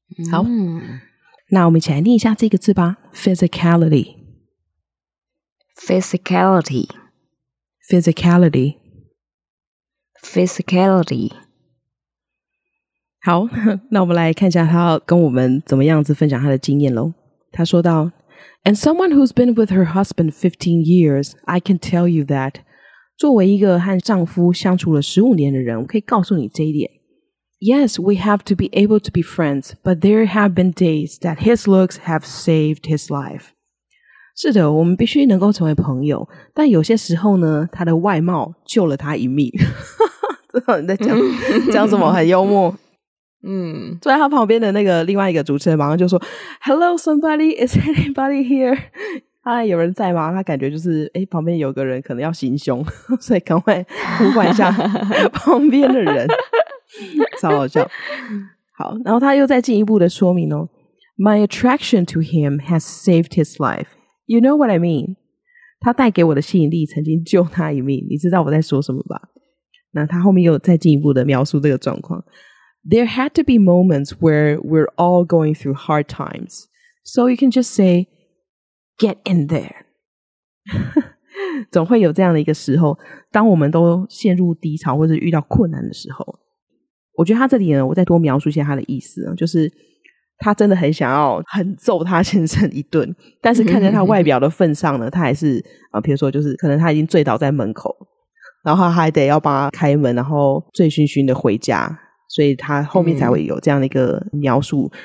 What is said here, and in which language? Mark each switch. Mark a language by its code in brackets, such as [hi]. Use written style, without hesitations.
[zh] 好，那我们一起来念一下这个字吧， physicality [en] physicality physicality physicality。 [zh] 好，那我们来看一下他跟我们怎么样子分享他的经验咯。他说到 [en] And someone who's been with her husband 15 years, I can tell you that. [zh] 作为一个和丈夫相处了15年的人，我可以告诉你这一点。 [en] Yes, we have to be able to be friends, but there have been days that his looks have saved his life. [zh] 是的，我们必须能够成为朋友，但有些时候呢，他的外貌救了他一命。知道你在讲什么，很幽默。坐在他旁边的那个另外一个主持人马上就说 [en] Hello somebody, is anybody here? [zh] 哎，有人在吗？他感觉就是旁边有个人可能要行凶，所以赶快呼唤一下旁边的人。超好笑。好，然后他又再进一步的说明哦 [en] My attraction to him has saved his life. You know what I mean? [zh] 他带给我的吸引力曾经救他一命，你知道我在说什么吧？那他后面又再进一步的描述这个状况。 [en] There had to be moments where we're all going through hard times. So you can just say, get in there. [zh] 总会有这样的一个时候，当我们都陷入低潮或者遇到困难的时候。我觉得他这里呢，我再多描述一下他的意思，就是他真的很想要狠揍他先生一顿，但是看在他外表的份上呢，他还是比如说就是可能他已经醉倒在门口，然后他还得要帮他开门，然后醉醺醺的回家，所以他后面才会有这样的一个描述。